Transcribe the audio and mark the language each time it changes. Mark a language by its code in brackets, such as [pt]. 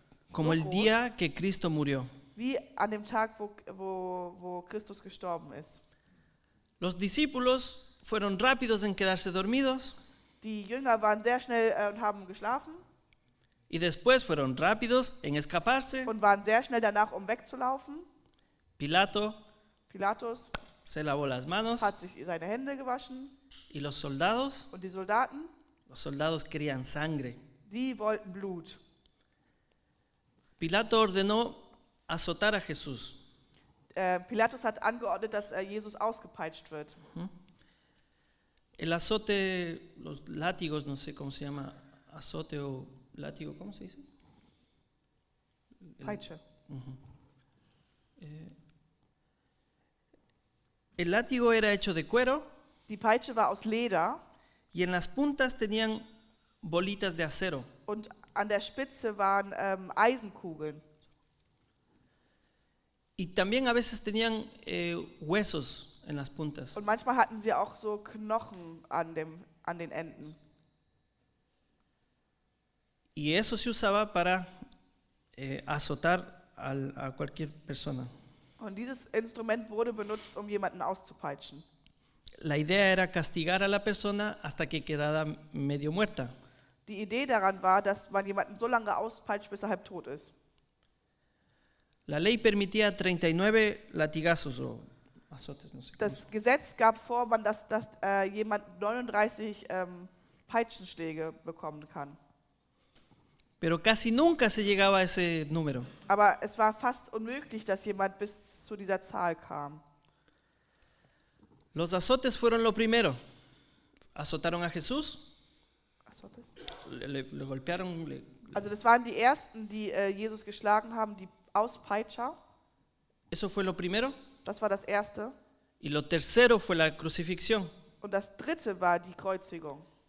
[es] Como el día que Cristo murió. [de] Wie an dem Tag, wo Christus gestorben ist. [es] Los discípulos fueron rápidos en quedarse dormidos. [de] Die Jünger waren sehr schnell und haben geschlafen. [es] Y después fueron rápidos en escaparse. [de] Und waren sehr schnell danach, um wegzulaufen. [es] Pilato. [de] Pilatus. [es] Se lavó las manos. [de] Hat sich seine Hände gewaschen. [es] Y los soldados. [de] Und die Soldaten. [es] Los soldados querían sangre. [de] Die wollten Blut. [es] Pilato ordenó azotar a Jesús. [de] Pilatus hat angeordnet, dass Jesus ausgepeitscht wird. [es] El azote, los látigos, no sé cómo se llama, azote o látigo, ¿cómo se dice? [de] Peitsche. [es] El látigo era hecho de cuero. [de] Die Peitsche war aus Leder. [es] Y en las puntas tenían bolitas de acero. [de] Und an der Spitze waren Eisenkugeln. [es] Y también a veces tenían huesos en las puntas. [de] Und manchmal hatten sie auch so Knochen an dem an den Enden. [es] Y eso se usaba para azotar a cualquier persona. [de] Und dieses Instrument wurde benutzt, um jemanden auszupeitschen. [es] La idea era castigar a la persona hasta que quedara medio muerta. [de] Die Idee daran war, dass man jemanden so lange auspeitscht, bis er halb tot ist. [es] La ley permitía 39 latigazos o azotes, no sé. [de] Das Gesetz gab vor, dass jemand 39 Peitschenschläge bekommen kann. [es] Pero casi nunca se llegaba a ese número. [de] Aber es war fast unmöglich, dass jemand bis zu dieser Zahl kam. [es] Los azotes fueron lo primero. Azotaron a Jesús. Azotes. Le golpearon. [de] Also das waren die ersten, die Jesus geschlagen haben, die Auspeitscher. [es] Eso fue lo primero. [de] Das war das erste. [es] Y lo tercero fue la crucifixión. [de] Und das dritte war die Kreuzigung.